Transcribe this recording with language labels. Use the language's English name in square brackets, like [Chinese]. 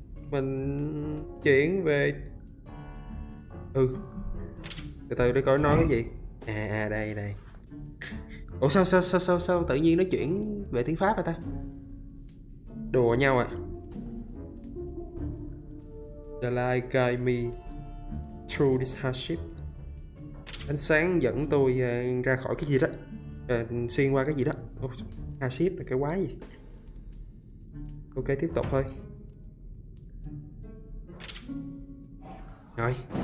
[Vietnamese] Mình chuyển về. Ừ. Từ từ để coi nói cái gì. À đây đây. Ủa sao tự nhiên nó chuyển về tiếng Pháp rồi ta? Đùa nhau à? [English] The light guide me through this hardship. [Vietnamese] Ánh sáng dẫn tôi ra khỏi cái gì đó, xuyên qua cái gì đó. Hardship là cái quái gì? Ok, tiếp tục thôi. Rồi.